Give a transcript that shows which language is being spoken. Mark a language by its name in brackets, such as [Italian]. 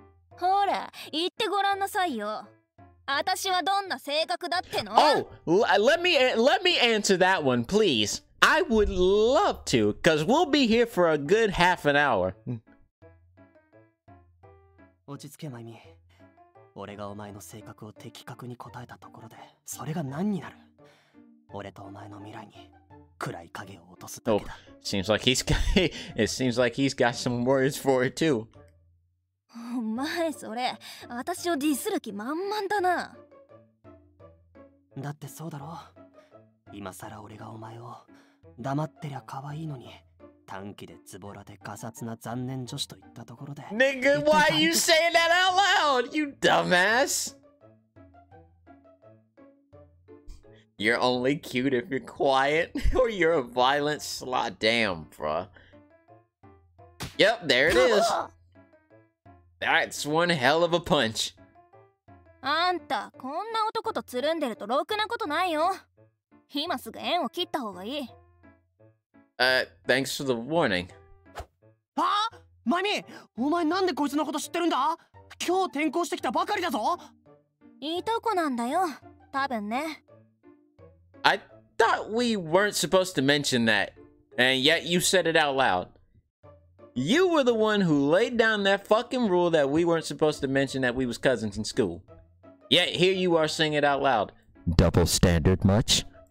[Japanese] ほら、言ってごらんなさいよ。私はどんな性格だっての? [English] Oh, let me answer that one, please. I would love to, because we'll be here for a good half an hour. [Japanese] 落ち着け、マイミ。俺がお前の性格を的確に答えたところで、それが何になる? 俺とお前の未来に暗い影を落とすだけだ。 [English] Oh, seems like he's got, it seems like he's got some words for it too. [Japanese] お前それ、私をディスる気満々だな。だってそうだろ。今更俺がお前を黙ってりゃ可愛いのに、短気でズボラでガサツな残念女子と言ったところで。 [English] Nigga, why are you saying that out loud, you dumbass? You're only cute if you're quiet, or you're a violent slut. Damn, bruh. Yep, there it is. That's one hell of a punch. [Japanese] あんた、こんな男とつるんでるとろくなことないよ。今すぐ縁を切った方がいい。 [English] Thanks for the warning. あ? [Japanese] マミ、お前なんでこいつのこと知ってるんだ?今日転校してきたばかりだぞ。いとこなんだよ、多分ね。 [English] I thought we weren't supposed to mention that, and yet you said it out loud. You were the one who laid down that fucking rule that we weren't supposed to mention that we was cousins in school. Yet here you are saying it out loud. Double standard much?